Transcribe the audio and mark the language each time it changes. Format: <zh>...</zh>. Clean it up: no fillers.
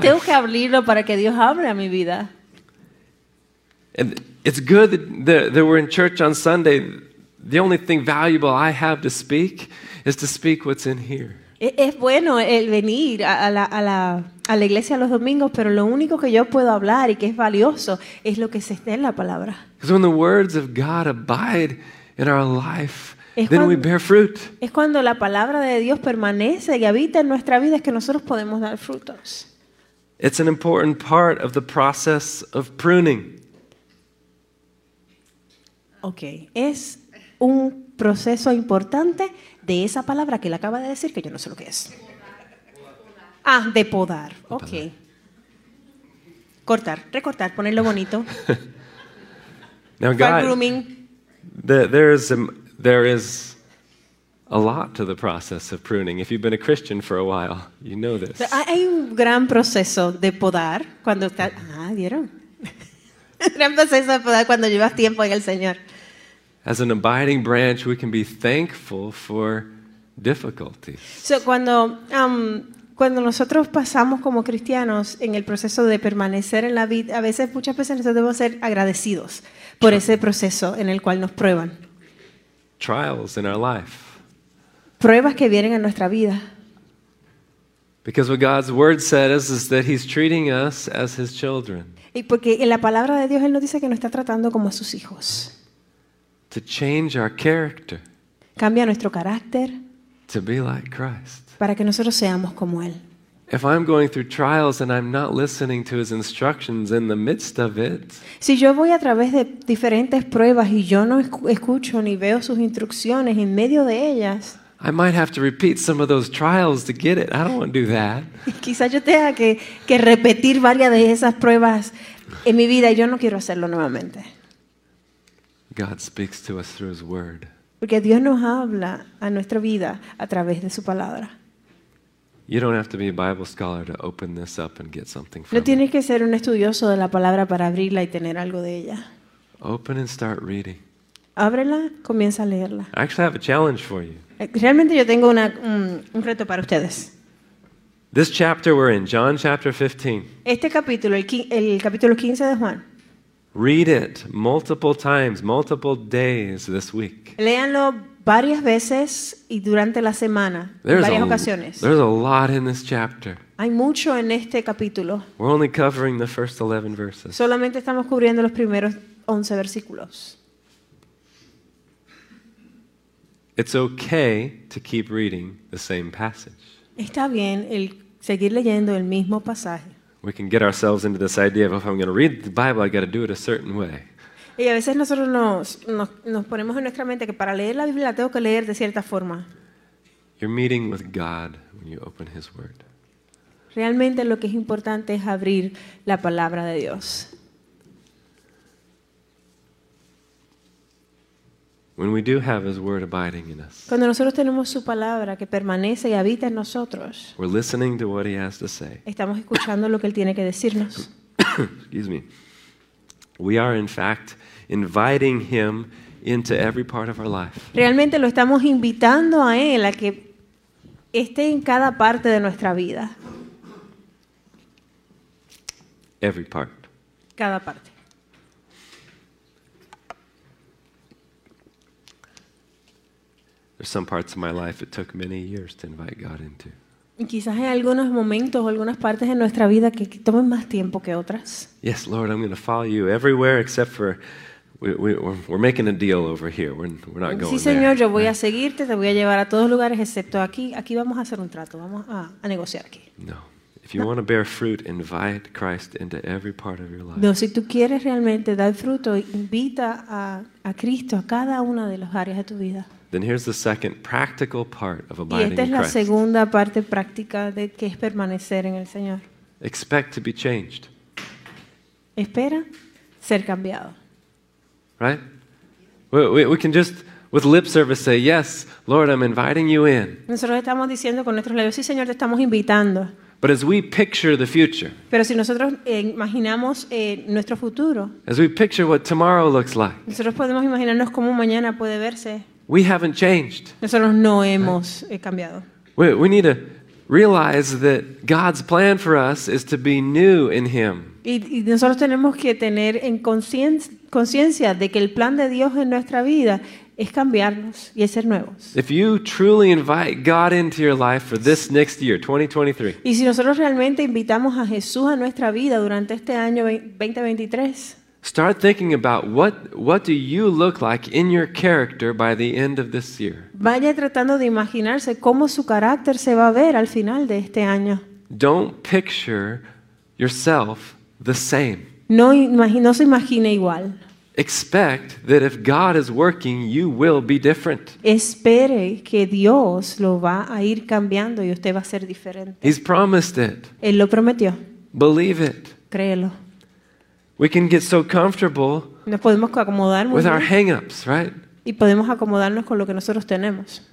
<es>Tengo que abrirlo para que Dios hable a mi vida.</es> <en>And it's good that we're in church on Sunday. The only thing valuable I have to speak is to speak what's in here.</en> <es>Es bueno el venir a la iglesia los domingos, pero lo único que yo puedo hablar y que es valioso es lo que se está en la palabra.</es> <en>Because when the words of God abide in our life, then we bear fruit.</en> <es>Es cuando la palabra de Dios permanece y habita en nuestra vida es que nosotros podemos dar frutos.</es> <en>It's an important part of the process of pruning.</en> <es>Okay, es un proceso importante de esa palabra que él acaba de decir que yo no sé lo que es. Ah, de podar. Okay. Cortar, recortar, ponerlo bonito.</es> <en>Now God, grooming. There is a lot to the process of pruning. If you've been a Christian for a while, you know this.</en> <es>Hay un gran proceso de podar cuando estás. Ah, ¿vieron? Gran proceso de podar cuando llevas tiempo en el Señor.</es> <en>As an abiding branch, we can be thankful for difficulties.</en> <es>So cuando nosotros pasamos como cristianos en el proceso de permanecer en la vida, a veces, muchas veces nosotros debemos ser agradecidos por ese proceso en el cual nos prueban.</es> <en>Trials in our life.</en> <es>Pruebas que vienen a nuestra vida.</es> <en>Because what God's word says is that he's treating us as his children.</en> <es>Y porque en la palabra de Dios él nos dice que nos está tratando como a sus hijos.</es> <en>To change our character.</en> <es>Cambia nuestro carácter.</es> <en>To be like Christ.</en> <es>Para que nosotros seamos como él.</es> <en>If I'm going through trials and I'm not listening to his instructions in the midst of it.</en> <es>Si yo voy a través de diferentes pruebas y yo no escucho ni veo sus instrucciones en medio de ellas.</es> <en>I might have to repeat some of those trials to get it. I don't want to do that.</en> <es>Quizás yo tenga que repetir varias de esas pruebas en mi vida y yo no quiero hacerlo nuevamente.</es> <en>God speaks to us through his word.</en> <es>Porque Dios nos habla a nuestra vida a través de su palabra.</es> <en>You don't have to be a Bible scholar to open this up and get something from</en> <es>it. No tienes que ser un estudioso de la palabra para abrirla y tener algo de ella.</es> <en>Open and start reading.</en> <es>Ábrela, comienza a leerla.</es> <en>I actually have a challenge for you.</en> <es>Realmente yo tengo un reto para ustedes.</es> <en>This chapter we're in, John chapter 15.</en> <es>Este capítulo, el capítulo 15 de Juan.</es> <en>Read it multiple times, multiple days this week.</en> <es>Léanlo varias veces y durante la semana, en varias ocasiones.</es> <en>There's a lot in this chapter.</en> <es>Hay mucho en este capítulo.</es> <en>We're only covering the first 11 verses.</en> <es>Solamente estamos cubriendo los primeros 11 versículos.</es> <en>It's okay to keep reading the same passage.</en> <es>Está bien el seguir leyendo el mismo pasaje.</es> <en>We can get ourselves into this idea of if I'm going to read the Bible, I got to do it a certain way.</en> <es>Y a veces nosotros nos ponemos en nuestra mente que para leer la Biblia la tengo que leer de cierta forma.</es> <en>You're meeting with God when you open His Word.</en> <es>Realmente lo que es importante es abrir la palabra de Dios.</es> <en>When we do have His Word abiding in us.</en> <es>Cuando nosotros tenemos su palabra que permanece y habita en nosotros.</es> <en>We're listening to what He has to say.</en> <es>Estamos escuchando lo que Él tiene que decirnos.</es> <en>Excuse me. We are in fact inviting Him into every part of our life.</en> <es>Realmente lo estamos invitando a Él a que esté en cada parte de nuestra vida.</es> <en>Every part.</en> <es>Cada parte.</es> <en>There's some parts of my life it took many years to invite God into.</en> <es>Y quizás hay algunos momentos o algunas partes de nuestra vida que tomen más tiempo que otras.</es> <en>Yes, Lord, I'm going to follow you everywhere except for we're making a deal over here. We're not going</en> <es>there. Sí, Señor, yo voy a seguirte, te voy a llevar a todos lugares excepto aquí. Aquí vamos a hacer un trato, vamos a negociar aquí. No.</es> <en>If you want to bear fruit, invite Christ into every part of your life.</en> <es>No, si tú quieres realmente dar fruto, invita a Cristo a cada una de las áreas de tu vida.</es> <en>Then here's the second practical part of abiding in Christ.</en> <es>Y esta es la segunda parte práctica de que es permanecer en el Señor.</es> <en>Expect to be changed.</en> <es>Espera ser cambiado.</es> <en>Right? We can just with lip service say, "Yes, Lord, I'm inviting you in."</en> <es>Nosotros estamos diciendo con nuestros labios, "Sí, Señor, te estamos invitando."</es> <en>But as we picture the future.</en> <es>Pero si nosotros imaginamos nuestro futuro.</es> <en>As we picture what tomorrow looks like.</en> <es>Nosotros podemos imaginarnos cómo mañana puede verse.</es> <en>We haven't changed.</en> <es>Nosotros no hemos cambiado.</es> <en>We need to realize that God's plan for us is to be new in Him.</en> <es>Y nosotros tenemos que tener en conciencia de que el plan de Dios en nuestra vida es cambiarnos y es ser nuevos.</es> <en>If you truly invite God into your life for this next year, 2023.</en> <es>Y si nosotros realmente invitamos a Jesús a nuestra vida durante este año 2023.</es> <en>Start thinking about what do you look like in your character by the end of this year.</en> <es>Vaya tratando de imaginarse cómo su carácter se va a ver al final de este año.</es> <en>Don't picture yourself the same.</en> <es>No se imagine igual.</es> <en>Expect that if God is working, you will be different.</en> <es>Espere que Dios lo va a ir cambiando y usted va a ser diferente.</es> <en>He's promised it.</en> <es>Él lo prometió.</es> <en>Believe it.</en> <es>Créelo.</es> <en>We can get so comfortable.</en> <es>Nos podemos acomodar</es> <en>with our hang-ups, right?</en> <es>Y podemos acomodarnos con lo que nosotros tenemos.</es>